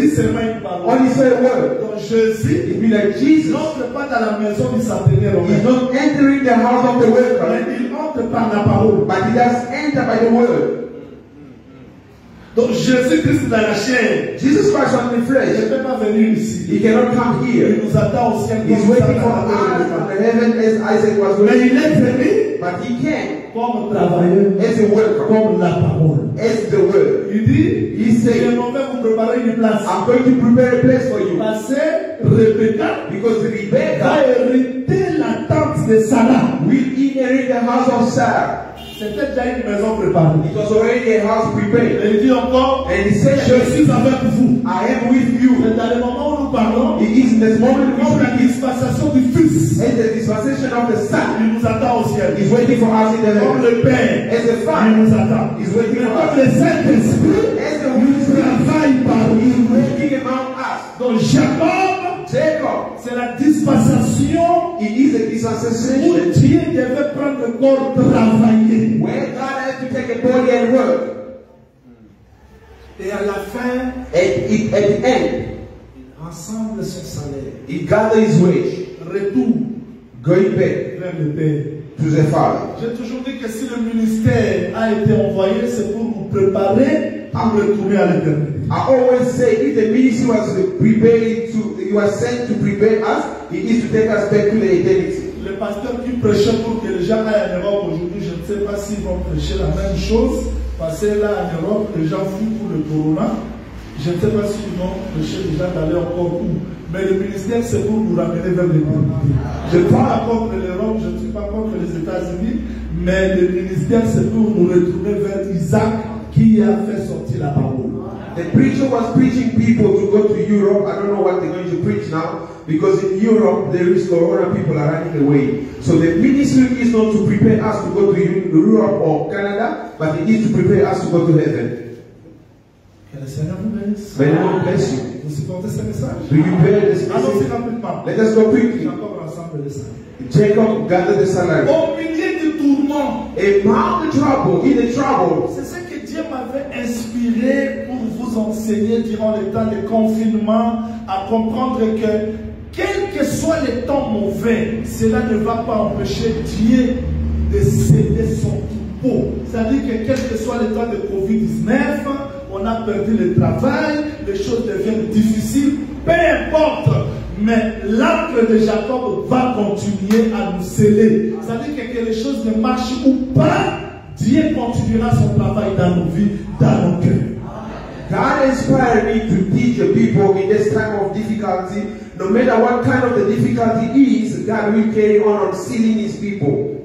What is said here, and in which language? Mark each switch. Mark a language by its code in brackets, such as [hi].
[fr] Dis seulement une parole. [en] Only say a word. [fr] Donc Jésus. [en] It means like Jesus. [fr] N'entre pas dans la maison de Saint-Denis Romain. [en] He's not entering the house of the welcome. [fr] Par la parole, [en] but he does enter by the word. [fr] Donc Jésus Christ dans la chair. [en] Jesus Christ on the flesh. [fr] Il ne peut pas venir ici. [en] He cannot come here. [fr] Il nous attend au ciel. [en] He's waiting for us from heaven as Isaac was waiting. [fr] Mais il est venu. [en] But he can. [fr] Comme travailleur. [en] As a worker. [fr] Comme la parole. [en] As the word. [fr] Il dit. [en] He said. [fr] Je m'en vais vous préparer une place. [en] I'm going to prepare a place for you. [fr] Parce que Rebecca. [en] Because Rebecca. [fr] Va hériter la tente de Sarah. [en] Will inherit the house of Sarah. [fr] C'était déjà une maison préparée. [en] It was already a house prepared. [fr] Et il dit encore. [en] And he said, [fr] je suis avec vous. [en] I am with you. [fr] C'est dans le moment où nous parlons. [en] It is in this moment. [fr] Comme la dispensation du fils. [en] And the dispensation of the son. [fr] Il nous attend au ciel. [en] He's waiting for us in the heaven. [fr] Comme le père. [en] As the father. [fr] Il nous attend. [en] He's waiting for us. [fr] Comme le Saint-Esprit. [en] As the Holy Spirit. [fr] Travaille par nous. [en] He's waiting among us. [fr] Donc Jacob. [en] Jacob, [fr] c'est la dispensation. [en] It is a dispensation. [fr] Où Dieu devait prendre le corps travailler. [en] Where God had to take a body and work. [fr] Et à la fin, [en] at the end, [fr] ensemble son salaire. [en] He gathered his wage. [fr] Retour, [en] going back. [fr] Vers le père. [en] To the father. [fr] J'ai toujours dit que si le ministère a été envoyé, c'est pour nous préparer à retourner à l'éternité. [en] I always say, if the ministry was prepared to, you are sent to prepare us, it is to take us back to the eternity. [fr] Le pasteur qui prêche pour que les gens aillent en Europe aujourd'hui, je ne sais pas s'ils vont prêcher la même chose, parce que là en Europe, les gens fuient pour le corona. Je ne sais pas si vous prêchez déjà d'aller encore où. Mais le ministère, c'est pour vous ramener vers l'éternité. Je ne suis pas contre l'Europe, je ne suis pas contre les États-Unis, mais le ministère, c'est pour vous retourner vers Isaac qui a fait sortir la parole. [en] The preacher was preaching people to go to Europe. I don't know what they're going to preach now, because in Europe there is corona, people are running away. So the ministry is not to prepare us to go to Europe or Canada, but it is to prepare us to go to heaven. May the Lord bless you. Do you bear this message? Let us go quickly. Jacob gathered the salary. [fr] Au milieu du tourment. [en] Among the trouble, in the trouble. [fr] C'est ce que Dieu m'avait inspiré pour vous enseigner durant le temps de confinement, à comprendre que quel que soit le temps mauvais, cela ne va pas empêcher Dieu de céder son troupeau. C'est-à-dire que quel que soit le temps de COVID-19, on a perdu le travail, les choses deviennent difficiles, peu importe, mais l'arbre de Jacob va continuer à nous sceller. C'est-à-dire que quelque chose ne marche ou pas, Dieu continuera son travail dans nos vies, dans nos cœurs. [en] God inspired me to teach the people in this time of difficulty, no matter what kind of the difficulty is, God will carry on sealing his people.